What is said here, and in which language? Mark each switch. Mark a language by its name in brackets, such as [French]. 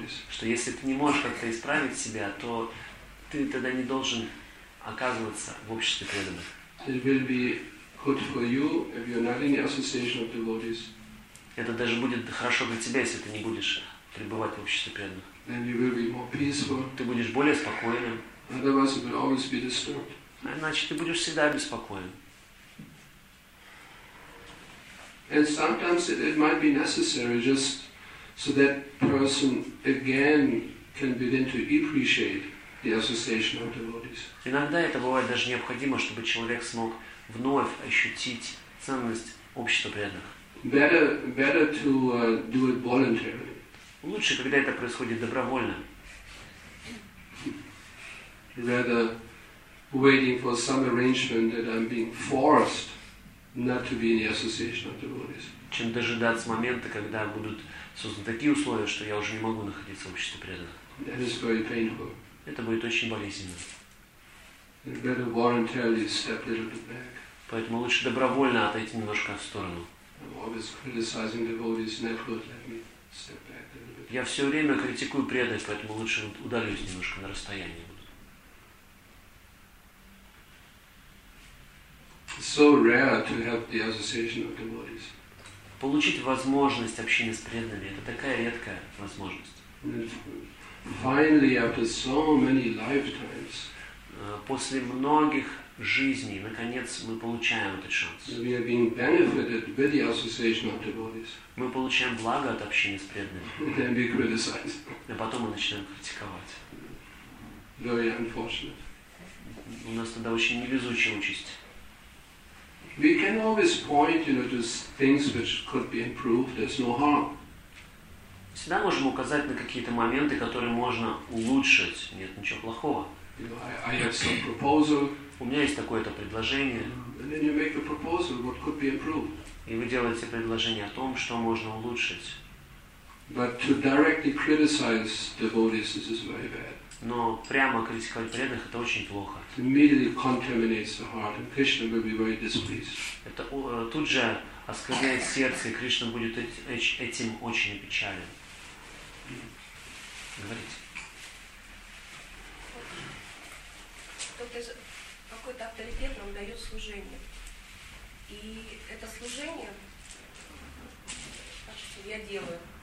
[Russian] Что если ты не можешь как-то исправить себя, то ты тогда не должен оказываться в обществе преданных. [English] It will be good for you if you're not in the association of devotees. [Russian] Это даже будет хорошо для тебя, если ты не будешь пребывать в обществе преданных. [English] Then you will be more peaceful. [Russian] Ты будешь более спокойным. [English] Otherwise, you will always be disturbed. [Russian] Иначе ты будешь всегда беспокоен. [English] And sometimes it might be necessary just so that person again can begin to appreciate the association of devotees. [Russian] Иногда это бывает даже необходимо, чтобы человек смог вновь ощутить ценность общества преданных. [English] Better to do it voluntarily. [Russian] Лучше, когда это происходит добровольно. [English] Rather waiting for some arrangement that I'm being forced not to be in the association of devotees. [Russian] Чем дожидаться момента, когда будут созданы такие условия, что я уже не могу находиться в обществе преданных. [English] That is very painful. [Russian] Это будет очень болезненно. [English] Better voluntarily step a little bit back. [Russian] Поэтому лучше добровольно отойти немножко в сторону. [English] I'm always criticizing devotees, never would let me step back. [Russian] Я все время критикую преданных, поэтому лучше удалюсь немножко на расстоянии. [English] So rare to have the association of devotees. [Russian] Получить возможность общения с преданными — это такая редкая возможность. [English] Finally, after so many lifetimes. [Russian] После многих жизней, наконец, мы получаем этот шанс. [English] We are being benefited by the association of devotees. [Russian] Мы получаем благо от общения с преданными. [English] Then we criticize. [Russian] А потом мы начинаем критиковать. [English] Very unfortunate. [Russian] У нас тогда очень невезучая участь. [English] We can always point, you know, to things which could be improved. There's no harm. [Russian] Всегда можем указать на какие-то моменты, которые можно улучшить. Нет ничего плохого. [English] I have some proposal. [Russian] У меня есть такое-то предложение. [English] And then you make a proposal what could be improved. [Russian] И вы делаете предложение о том, что можно улучшить. [English] But to directly criticize devotees, this is very bad. [Russian] Но прямо критиковать преданных — это очень плохо. [English] Immediately contaminates the heart, and Krishna will be very displeased. [Russian] Это тут же оскверняет сердце, и Кришна будет этим очень опечален. Говорите. Тут какой-то авторитет нам дает служение. И это служение, что я делаю.